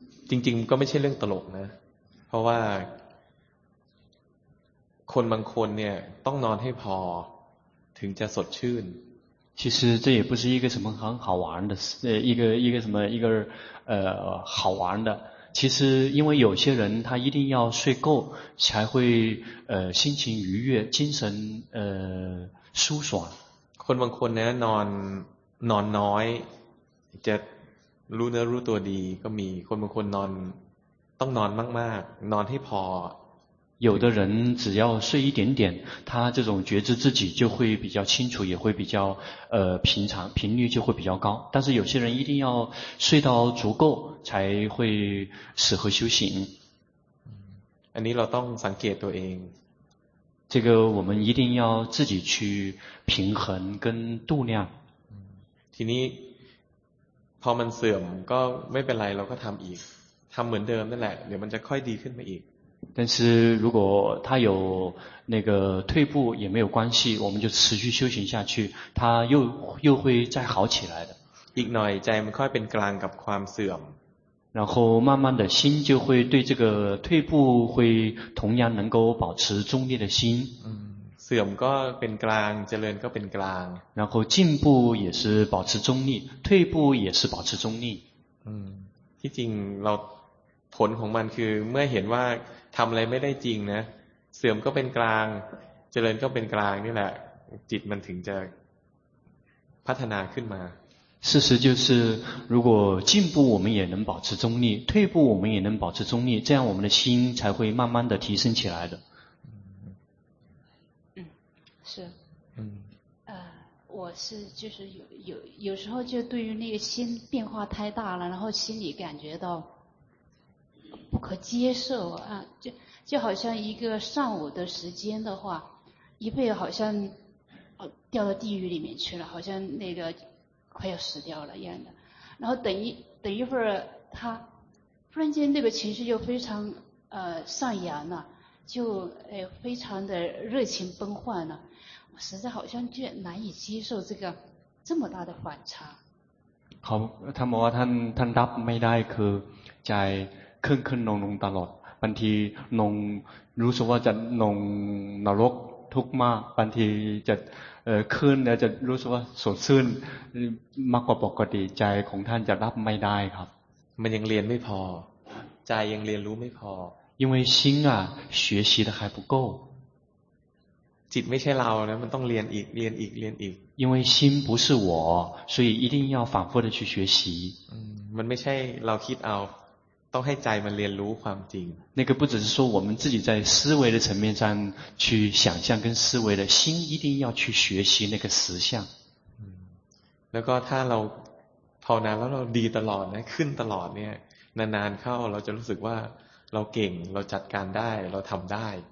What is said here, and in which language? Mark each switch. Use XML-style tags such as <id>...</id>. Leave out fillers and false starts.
<th>จริงๆก็ไม่ใช่เรื่องตลกนะเพราะว่าคนบางคนเนี่ยต้องนอนให้พอถึงจะสดชื่น</th> <zh>其实这也不是一个什么很好玩的一个什么一个好玩的其实因为有些人他一定要睡够才会心情愉悦精神舒爽</zh> <th>คนบางคนเนี่ยนอนน้อยจะรู้เนื้อรู้ตัวดีก็มีคนบางคนนอนต้องนอนมากๆนอนให้พอ</th> <zh>有的人只要睡一点点他这种觉知自己就会比较清楚也会比较平常频率就会比较高但是有些人一定要睡到足够才会适合修行</zh> <th>อันนี้เราต้องสังเกตตัวเอง</th> <zh>这个我们一定要自己去平衡跟度量</zh> <th>ทีนี้พอมันเสื่อมก็ไม่เป็นไรเราก็ทำอีกทำเหมือนเดิมนั่นแหละเดี๋ยวมันจะค่อยดีขึ้นมาอีก</th> <zh>但是如果他有那个退步也没有关系我们就持续修行下去他又会再好起来的</zh> <th>อีกหน่อยใจมันค่อยเป็นกลางกับความเสื่อม</th> <zh>然后慢慢的心就会对这个退步会同样能够保持中立的心</zh> <th>เสื่อมก็เป็นกลางเจริญก็เป็นกลาง</th> <zh>然后进步也是保持中立退步也是保持中立</zh> <th>ที่จริงเราผลของมันคือเมื่อเห็นว่าทำอะไรไม่ได้จริงนะเสื่อมก็เป็นกลางเจริญก็เป็นกลางนี่แหละจิตมันถึงจะพัฒนาขึ้นมา</th> <zh>事实就是如果进步我们也能保持中立退步我们也能保持中立这样我们的心才会慢慢的提升起来的是我是就是有时候就对于那个心变化太大了然后心里感觉到不可接受啊就好像一个上午的时间的话一辈子好像掉到地狱里面去了好像那个快要死掉了一样的然后等一会儿他突然间那个情绪就非常上扬了就非常的热情奔放了我实在好像就难以接受这个这么大的反差 ข</zh> <th>ขาท่านบอกว่าท่านรับไม่ได้คือใจขึ้นลงตลอดบางทีลงรู้สึกว่าจะลงนรกทุกข์มากบางทีจะขึ้นแล้วจะรู้สึกว่าสดชื่นมากกว่าปกติใจของท่านจะรับไม่ได้ครับ มันยังเรียนไม่พอใจยังเรียนรู้ไม่พอ</th> <zh>因为心啊学习的还不够</zh> <th>จิตไม่ใช่เรานะมันต้องเรียนอีกเรียนอีกเรียนอีก</th> <zh>因为心不是我所以一定要反复的去学习</zh> <th>มันไม่ใช่เราคิดเอาต้องให้ใจมันเรียนรู้ความจริง</th> <zh>那个不只是说我们自己在思维的层面上去想象跟思维的心一定要去学习那个实相</zh> <th>แล้วก็ถ้าเราภาวนาแล้วเราดีตลอดนะขึ้นตลอดเนี่ยนานๆเข้าเราจะรู้สึกว่าเราเก่งเราจัดการได้เราทำได้</th>